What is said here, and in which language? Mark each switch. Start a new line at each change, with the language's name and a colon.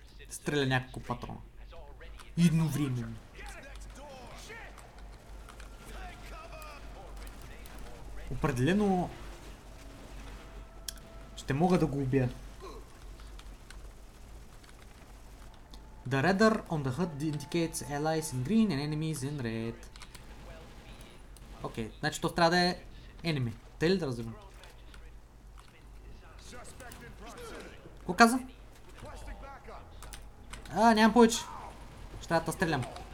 Bulgarian: Стреля няколко патрона. Едновременно. Определено ще мога да го убия.
English: The radar on the HUD indicates allies in green and enemies in red.
Bulgarian: Окей, okay, значи то трябва да е enemy. Те ли да разбирам? Какво каза? А, нямам повече. Ще трябва да стрелям.